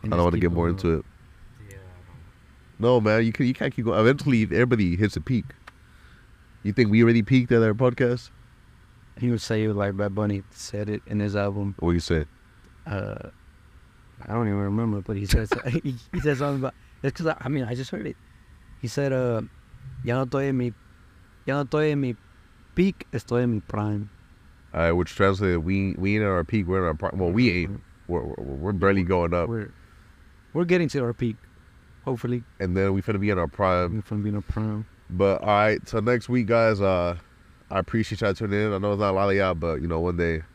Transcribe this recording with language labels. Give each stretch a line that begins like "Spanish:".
English: I don't want to get more into it. Yeah. No, man, you can't keep going. Eventually, everybody hits a peak. You think we already peaked at our podcast? He would say it like Bad Bunny said it in his album. What did he say? I don't even remember, but he said he said something about... It's because, I just heard it. He said,
Spanish: Ya no estoy en mi peak, estoy en mi prime.
English: Which translates, we ain't at our peak, we're in our prime. Well, we ain't. We're barely going up. We're getting to our peak, hopefully. And then we finna be in our prime. We finna be in our prime. But, all right, so next week, guys, I appreciate y'all tuning in. I know it's not a lot of y'all, but, you know, one day.